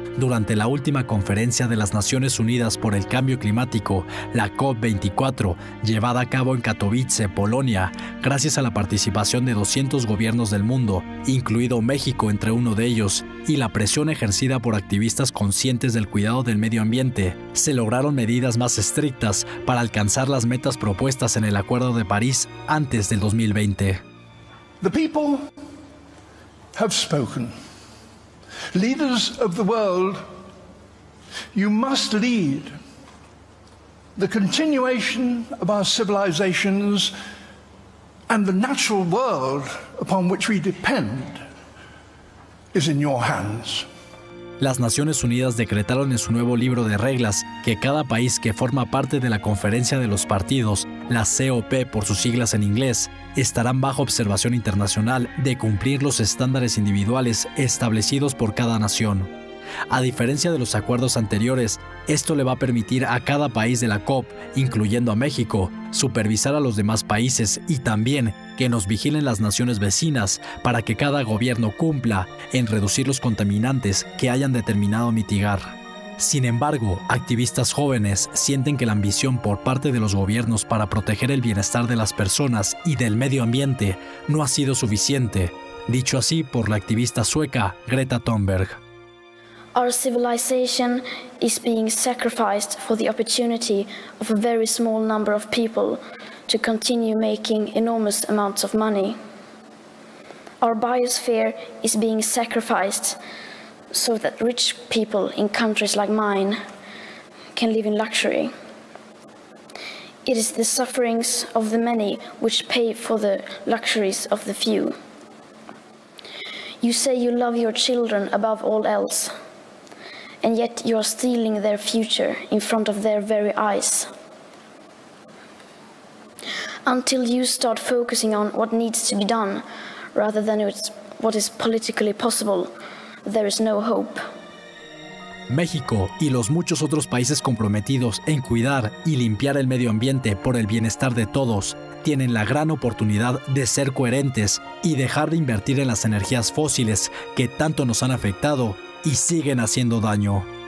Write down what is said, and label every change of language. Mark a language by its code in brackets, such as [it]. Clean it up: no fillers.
[es] durante la última conferencia de las Naciones Unidas por el Cambio Climático, la COP24, llevada a cabo en Katowice, Polonia, gracias a la participación de 200 gobiernos del mundo, incluido México entre uno de ellos, y la presión ejercida por activistas conscientes del cuidado del medio ambiente, se lograron medidas más estrictas para alcanzar las metas propuestas en el Acuerdo de París antes del 2020. [en] The people have spoken. Leaders of the world, you must lead the continuation of our civilizations and the natural world upon which we depend is in your hands. [es] Las Naciones Unidas decretaron en su nuevo libro de reglas que cada país que forma parte de la Conferencia de los Partidos, la COP por sus siglas en inglés, estarán bajo observación internacional de cumplir los estándares individuales establecidos por cada nación. A diferencia de los acuerdos anteriores, esto le va a permitir a cada país de la COP, incluyendo a México, supervisar a los demás países y también que nos vigilen las naciones vecinas para que cada gobierno cumpla en reducir los contaminantes que hayan determinado mitigar. Sin embargo, activistas jóvenes sienten que la ambición por parte de los gobiernos para proteger el bienestar de las personas y del medio ambiente no ha sido suficiente, dicho así por la activista sueca Greta Thunberg. [en] Our civilization is being sacrificed for the opportunity of a very small number of people to continue making enormous amounts of money. Our biosphere is being sacrificed so that rich people in countries like mine can live in luxury. It is the sufferings of the many which pay for the luxuries of the few. You say you love your children above all else, and yet you are stealing their future in front of their very eyes. Until you start focusing on what needs to be done rather than what is politically possible, there is no hope. [es] México y los muchos otros países comprometidos en cuidar y limpiar el medio ambiente por el bienestar de todos tienen la gran oportunidad de ser coherentes y dejar de invertir en las energías fósiles que tanto nos han afectado y siguen haciendo daño.